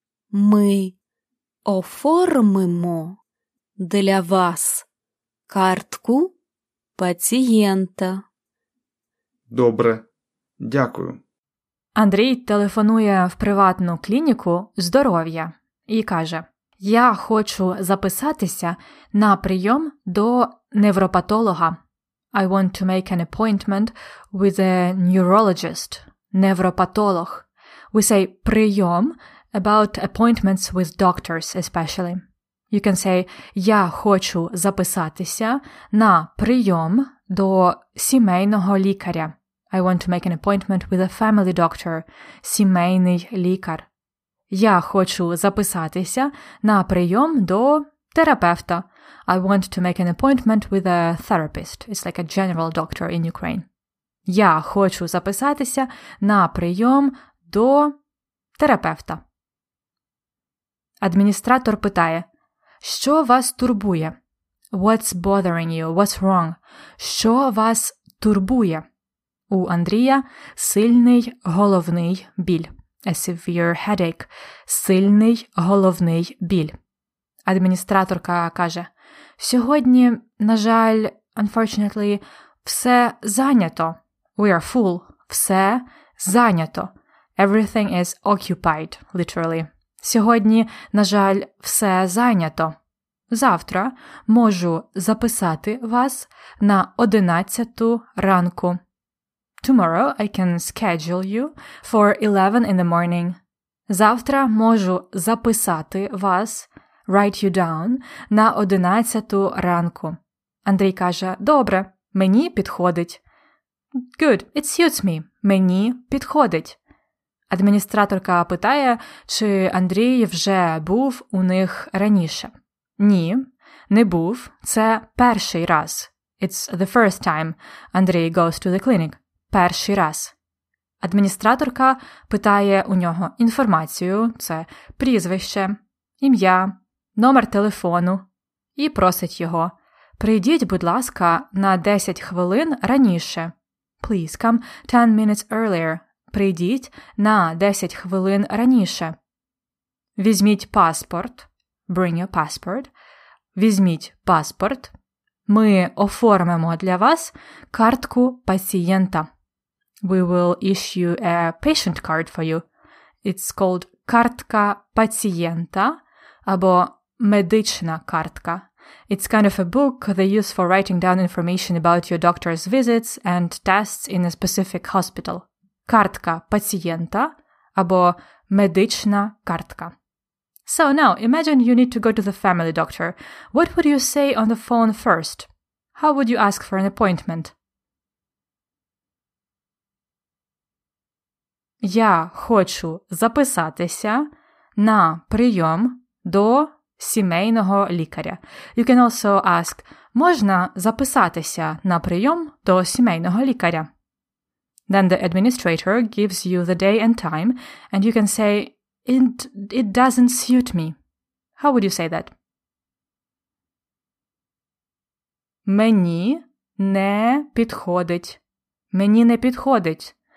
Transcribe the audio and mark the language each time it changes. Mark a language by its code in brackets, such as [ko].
[uk] Ми оформимо для вас картку пацієнта. Добре, дякую. Андрій телефонує в приватну клініку здоров'я і каже: «Я хочу записатися на прийом до невропатолога». [en] I want to make an appointment with a neurologist, невропатолог. We say «прийом» about appointments with doctors especially. You can say [uk] «Я хочу записатися на прийом до сімейного лікаря». [en] I want to make an appointment with a family doctor, [uk] сімейний лікар. Я хочу записатися на прийом до терапевта. [en] I want to make an appointment with a therapist. It's like a general doctor in Ukraine. [uk] Я хочу записатися на прийом до терапевта. Адміністратор питає: «Що вас турбує?» [en] What's bothering you? What's wrong? [uk] Що вас турбує? У Андрія сильний головний біль. [en] A severe headache. [uk] Сильний головний біль. Адміністраторка каже: «Сьогодні, на жаль, unfortunately, все зайнято». [en] We are full. [uk] Все зайнято. [en] Everything is occupied, literally. [uk] Сьогодні, на жаль, все зайнято. Завтра можу записати вас на 11 ранку. [en] Tomorrow I can schedule you for 11 in the morning. [uk] Завтра можу записати вас, [en] write you down, [uk] на 11 ранку. Андрій каже: «Добре, мені підходить». [en] Good, it suits me. [uk] Мені підходить. Адміністраторка питає, чи Андрій вже був у них раніше. Ні, не був. Це перший раз. [en] It's the first time Андрій goes to the clinic. [uk] Перший раз. Адміністраторка питає у нього інформацію, це прізвище, ім'я, номер телефону і просить його: «Прийдіть, будь ласка, на 10 хвилин раніше». [en] Please come 10 minutes earlier. [uk] Прийдіть на 10 хвилин раніше. Візьміть паспорт. [en] Bring your passport. [uk] Візьміть паспорт. Ми оформимо для вас картку пацієнта. [en] We will issue a patient card for you. It's called [uk] картка пацієнта або медична картка. [en] It's kind of a book they use for writing down information about your doctor's visits and tests in a specific hospital. Картка пацієнта або медична картка. So now, imagine you need to go to the family doctor. What would you say on the phone first? How would you ask for an appointment? [uk] Я хочу записатися на прийом до сімейного лікаря. [en] You can also ask, [uk] можна записатися на прийом до сімейного лікаря? [en] Then the administrator gives you the day and time, and you can say, it doesn't suit me. How would you say that? [uk] Мені не підходить. Мені не підходить.